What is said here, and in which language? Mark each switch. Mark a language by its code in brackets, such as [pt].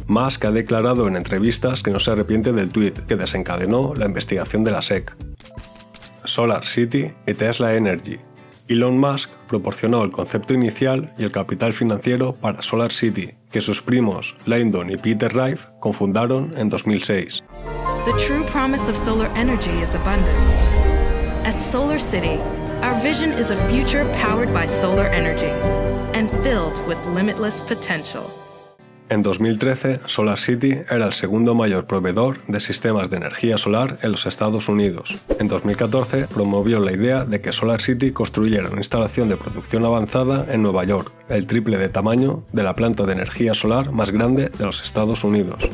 [es] Musk ha declarado en entrevistas que no se arrepiente del tuit que desencadenó la investigación de la SEC. SolarCity y Tesla Energy. Elon Musk proporcionó el concepto inicial y el capital financiero para SolarCity, que sus primos Lyndon y Peter Rive cofundaron en 2006. [en] The true promise of solar energy is abundance. At SolarCity, our vision is a future powered by solar energy and filled with limitless potential. [es] En 2013, SolarCity era el segundo mayor proveedor de sistemas de energía solar en los Estados Unidos. En 2014, promovió la idea de que SolarCity construyera una instalación de producción avanzada en Nueva York, el triple de tamaño de la planta de energía solar más grande de los Estados Unidos.